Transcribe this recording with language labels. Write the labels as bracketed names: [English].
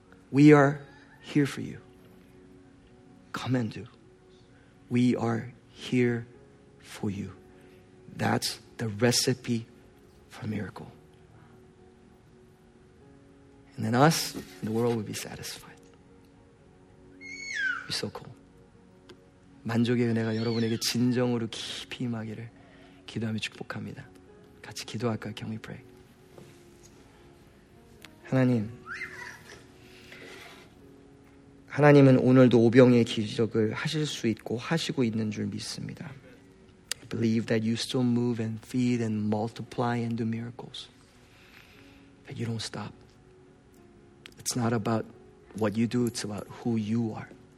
[English] We are here for you. Come and do. We are here for you. That's the recipe for miracle. And then us, and the world would be satisfied. It's so cool. [Korean] 만족의 은혜가 여러분에게 진정으로 깊이 임하기를 기도하며 축복합니다. 같이 기도할까요? [English] Can we pray? [Korean] 하나님은 오늘도 오병의 기적을 하실 수 있고 하시고 있는 줄 믿습니다. [English] I believe that you still move and feed and multiply and do miracles. That you don't stop. It's not about what you do, it's about who you are.